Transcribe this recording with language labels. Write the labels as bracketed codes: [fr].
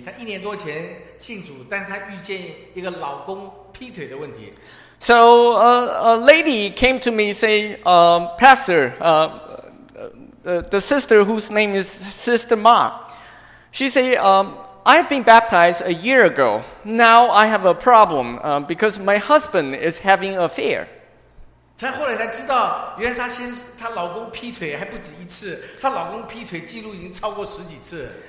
[zh] 她一年多前信主，但她遇见一个老公劈腿的问题。 [en] So a lady came to me say, Pastor, the sister whose name is Sister Ma, she say, I've been baptized a year ago. Now I have a problem because my husband is having an affair. [zh] 才后来才知道，原来她老公劈腿还不止一次，她老公劈腿记录已经超过十几次。